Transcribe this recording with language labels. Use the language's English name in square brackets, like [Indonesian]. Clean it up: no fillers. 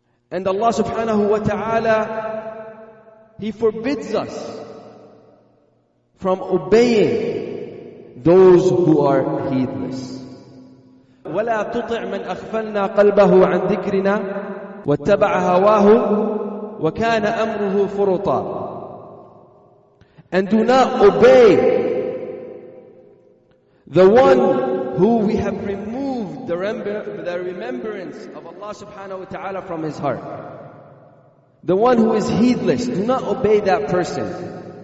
[English] And Allah subhanahu wa ta'ala, He forbids us from obeying those who are heedless. [Arabic] ولا تطع من أخفلنا قلبه عن ذكرنا واتبع هواه وكان أمره فرطا. [English] And do not obey the one who we have removed the remembrance of Allah subhanahu wa ta'ala from his heart. The one who is heedless, do not obey that person.